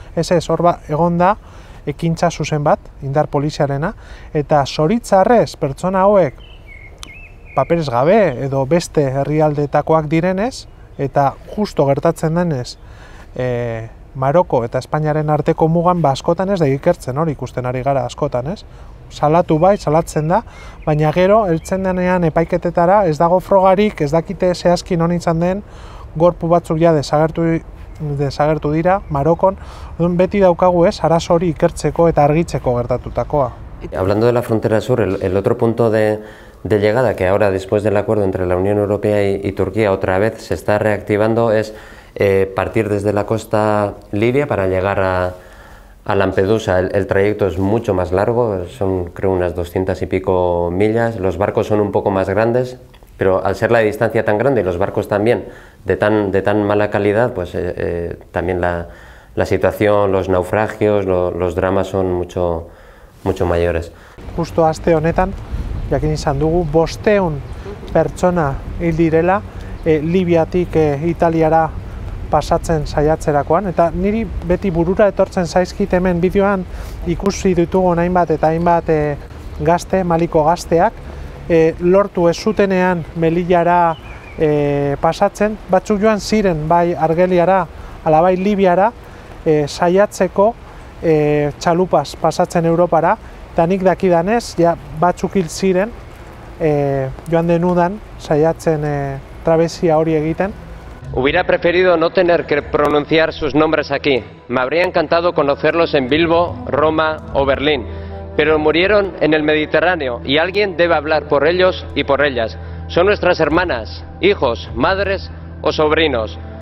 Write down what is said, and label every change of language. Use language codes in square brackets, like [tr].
[eu] Ez, hor egon da ekintza zuzen bat, indar polizialena, eta zoritzarrez pertsona hauek paperez gabe edo beste herrialdeetakoak direnez, eta justo gertatzen denez Maroko eta Espainiaren arteko mugan askotan ez da ikertzen, hori ikusten ari gara askotan, ez? Salatu bai, salatzen da, baina gero heltzen denean epaiketetara ez dago frogarik, ez dakite zehazki non izan den, gorpu batzuk desagertu dira Marokon. Orduan beti daukagu, ez, arazo hori ikertzeko eta argitzeko gertatutakoa. [es] Hablando de la frontera sur, el otro punto de llegada que ahora después del acuerdo entre la Unión Europea y Turquía otra vez se está reactivando es partir desde la costa libia para llegar a, A Lampedusa el trayecto es mucho más largo, son creo unas 200 y pico millas, los barcos son un poco más grandes, pero al ser la distancia tan grande y los barcos también de tan mala calidad, pues también la situación, los naufragios, los dramas son mucho, mucho mayores. [eu] Justo aste honetan, jakin izan dugu, 500 pertsona hil direla, Libiatik Italiara pasatzen saiatzerakoan, eta niri beti burura etortzen zaizkit hemen bideoan ikusi ditugu hainbat eta hainbat gazte, Maliko gazteak, lortu ez zutenean Melillara pasatzen, batzuk joan ziren bai Argeliara, ala bai Libiara, saiatzeko txalupaz pasatzen Europara, eta nik dakidanez, ja batzuk hil ziren joan den udan saiatzen trabesia hori egiten. [es] Hubiera preferido no tener que pronunciar sus nombres aquí. Me habría encantado conocerlos en Bilbo, Roma o Berlín. Pero murieron en el Mediterráneo y alguien debe hablar por ellos y por ellas. Son nuestras hermanas, hijos, madres o sobrinos.